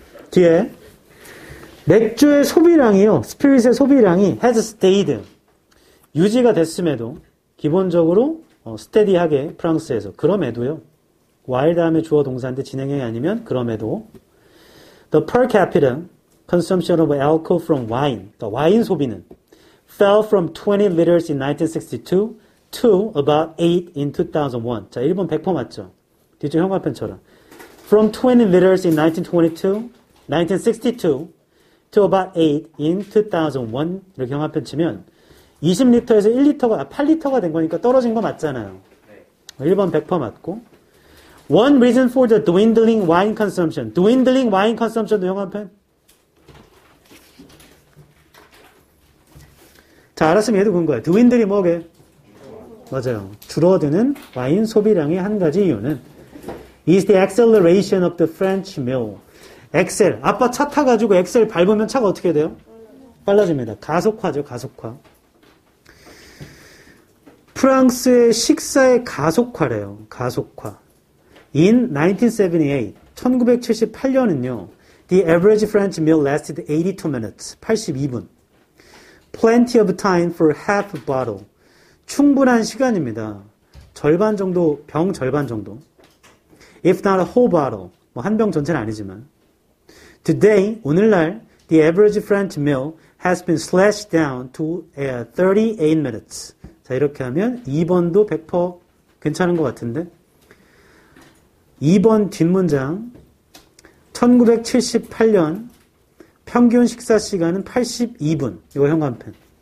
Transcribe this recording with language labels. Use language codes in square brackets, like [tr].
[ko] 뒤에. 맥주의 소비량이요. spirit의 소비량이 [en] has stayed. [ko] 유지가 됐음에도, 기본적으로, steady하게 프랑스에서. 그럼에도요. while 다음에 주어 동사인데 진행형이 아니면 그럼에도. [en] The per capita consumption of alcohol from wine, [ko] 그러니까 와인 소비는 [en] fell from 20 liters in 1962 to about 8 in 2001. [ko] 자, 1번 100% 맞죠? 뒤쪽 형광펜처럼. [en] From 20 liters in 1922, 1962 to about 8 in 2001. [ko] 이렇게 형광펜 치면 20리터에서 1리터가, 8리터가 된 거니까 떨어진 거 맞잖아요. 1번 100% 맞고. [en] One reason for the dwindling wine consumption. Dwindling wine consumption도 형광펜? [ko] 자, 알았으면 얘도 그런 거야. 드윈들이 뭐게? 맞아요. 줄어드는 와인 소비량의 한 가지 이유는 [en] is the acceleration of the French mill. [ko] 엑셀. 아빠 차 타가지고 엑셀 밟으면 차가 어떻게 돼요? 빨라집니다. 가속화죠, 가속화. 프랑스의 식사의 가속화래요. 가속화. [en] In 1978, 1978년은요, the average French meal lasted 82 minutes, 82분. Plenty of time for half a bottle. [ko] 충분한 시간입니다. 절반 정도, 병 절반 정도. [en] If not a whole bottle, [ko] 뭐한병 전체는 아니지만. [en] Today, 오늘날, the average French meal has been slashed down to 38 minutes. [ko] 자, 이렇게 하면 2번도 100% 괜찮은 것 같은데? 2번 뒷문장. 1978년 평균 식사 시간은 82분. 이거 형광펜.